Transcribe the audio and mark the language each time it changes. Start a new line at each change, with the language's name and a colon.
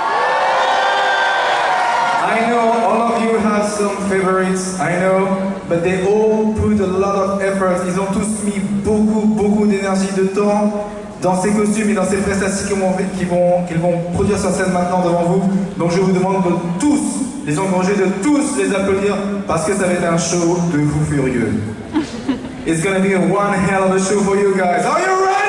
English: I know all of you have some favorites, I know, but they all put a lot of effort.
French: Ils ont tous mis beaucoup, beaucoup d'énergie, de temps dans ces costumes et dans ces prestations qu'ils vont produire sur scène maintenant devant vous. Donc je vous demande de tous les encourager, de tous les applaudir, parce que ça va être un show de fou furieux.
English: It's gonna be one hell of a show for you guys. Are you ready?